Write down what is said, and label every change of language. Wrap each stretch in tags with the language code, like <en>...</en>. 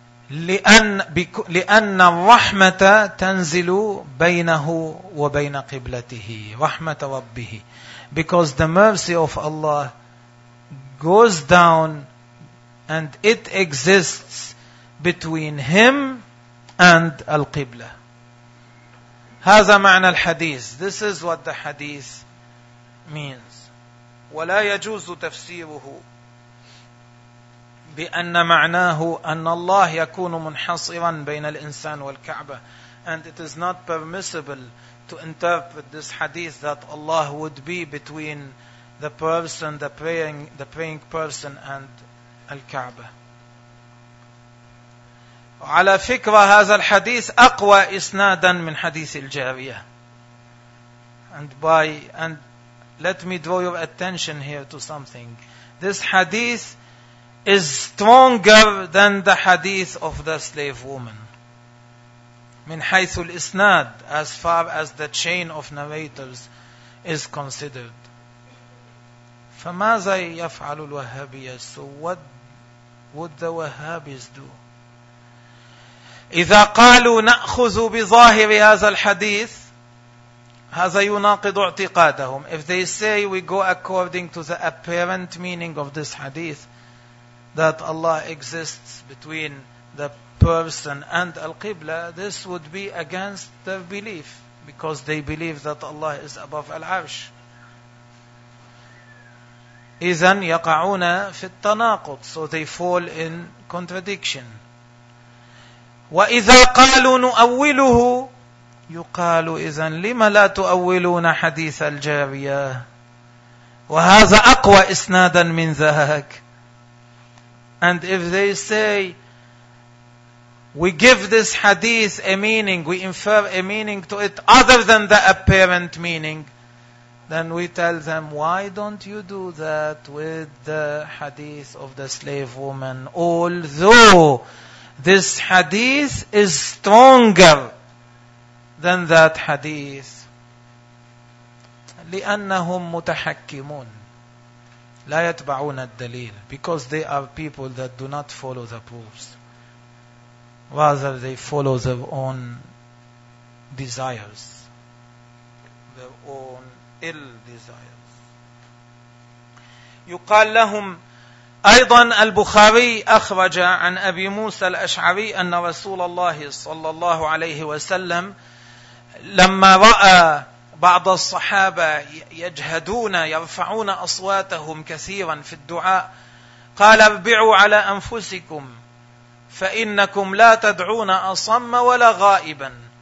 <ar>لأن الرحمة تنزل بينه وبين قبلته رحمة ربه.</ar> <en>Because the mercy of Allah goes down and it exists between him and al-qibla.</en> <ar>هذا معنى الحديث.</ar> <en>This is what the hadith means.</en> <ar>ولا يجوز تفسيره بأن معناه أن الله يكون منحصرا بين الإنسان والكعبة.</ar> <en>And it is not permissible to interpret this hadith that Allah would be between the person, the praying person and al-Kaaba.</en> <ar>وعلى فكرة هذا الحديث أقوى إسنادا من حديث الجارية.</ar> <en>And let me draw your attention here to something. This hadith is stronger than the hadith of the slave woman.</en> <ar>من حيث الإسناد,</ar> <en>as far as the chain of narrators is considered.</en> <ar>فماذا يفعل الوهابية?</ar> <en>So what would the Wahhabis do?</en> <ar>إذا قالوا نأخذ بظاهر هذا الحديث, هذا يناقض اعتقادهم.</ar> <en>If they say we go according to the apparent meaning of this hadith, that Allah exists between the person and al-Qibla, this would be against their belief, because they believe that Allah is above al-Arsh.</en> <ar>إذن يقعون في التناقض.</ar> <en>So they fall in contradiction.</en> <ar>وإذا قالوا نؤوله, يقال إذن لما لا تؤولون حديث الجارية وهذا أقوى إسنادا من ذاك.</ar> <en>And if they say we give this hadith a meaning, we infer a meaning to it other than the apparent meaning, then we tell them, why don't you do that with the hadith of the slave woman? Although this hadith is stronger than that hadith.</en> <ar>لأنهم متحكمون لا يتبعون الدليل.</ar> <en>Because they are people that do not follow the proofs. Rather they follow their own desires. Their own ill desires.</en> <ar>يقال لهم أيضا البخاري أخرج عن أبي موسى الأشعري أن رسول الله صلى الله عليه وسلم لما رأى بعض الصحابة يجهدون يرفعون أصواتهم كثيرا في الدعاء قال اربعوا على أنفسكم فإنكم لا تدعون أصم ولا غائبا.</ar>